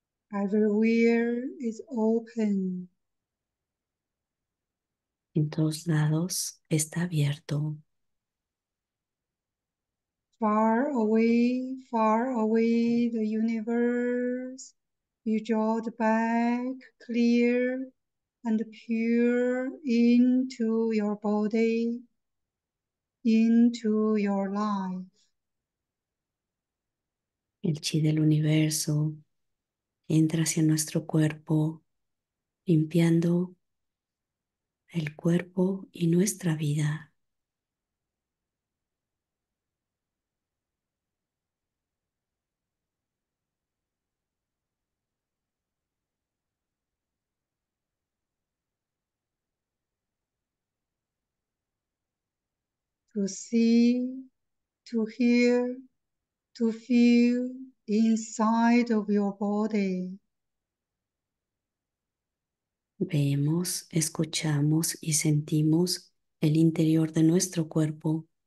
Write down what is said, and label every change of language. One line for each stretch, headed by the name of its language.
English: Everywhere is open.
Spanish: En todos lados está abierto.
English: far away, the universe, you draw back clear and pure into your body, into your life.
Spanish: El chi del universo entra hacia nuestro cuerpo, limpiando el cuerpo y nuestra vida.
English: To see, to hear, to feel inside of your body.
Spanish: Vemos, escuchamos y sentimos el interior de nuestro cuerpo.